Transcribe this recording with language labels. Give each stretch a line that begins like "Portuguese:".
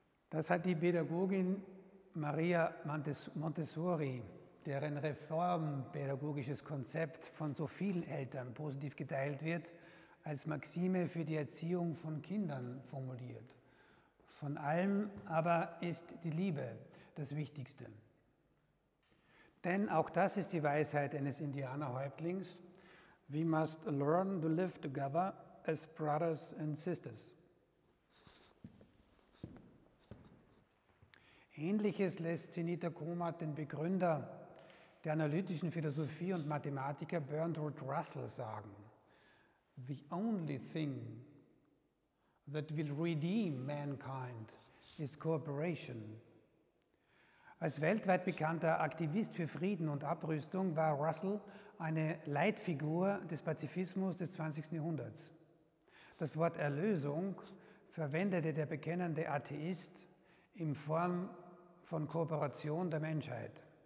German: Das hat die Pädagogin Maria Montessori, deren reformpädagogisches Konzept von so vielen Eltern positiv geteilt wird, als Maxime für die Erziehung von Kindern formuliert. Von allem aber ist die Liebe das Wichtigste. Denn auch das ist die Weisheit eines Indianerhäuptlings.
English: We must learn to live together as brothers and sisters.
German: Ähnliches lässt Zenita Komat den Begründer der analytischen Philosophie und Mathematiker Bertrand Russell sagen.
English: The only thing that will redeem mankind is cooperation.
German: Als weltweit bekannter Aktivist für Frieden und Abrüstung war Russell eine Leitfigur des Pazifismus des 20. Jahrhunderts. Das Wort Erlösung verwendete der bekennende Atheist in Form von Kooperation der Menschheit.